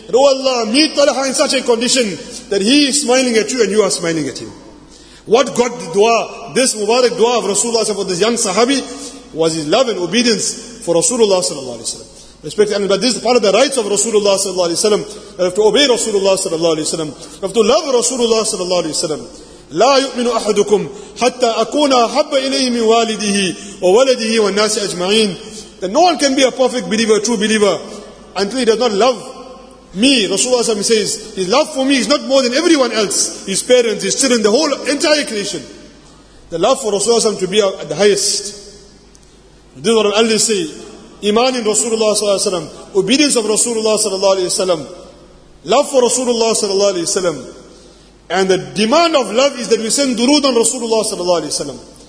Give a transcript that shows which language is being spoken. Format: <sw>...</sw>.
<en>Oh Allah, meet Talha in such a condition that he is smiling at you and you are smiling at him. What got the dua, this mubarak dua of Rasulullah for this young sahabi, was his love and obedience for Rasulullah Sallallahu Alaihi Wasallam. Respect, and but this is part of the rights of Rasulullah Sallallahu Alaihi Wasallam. We have to obey Rasulullah Sallallahu Alaihi Wasallam. We have to love Rasulullah Sallallahu Alaihi Wasallam.</en> <ar>لا يؤمن أحدكم حتى أكون أحب إليه من والده وولده والناس أجمعين.</ar> <en>That no one can be a perfect believer, a true believer, until he does not love me. Rasulullah SAW says, his love for me is not more than everyone else, his parents, his children, the whole entire creation. The love for Rasulullah SAW to be at the highest. This is what Allah say, Iman in Rasulullah SAW, obedience of Rasulullah SAW, love for Rasulullah SAW, and the demand of love is that we send durood on Rasulullah Sallallahu Alaihi Wasallam.</en>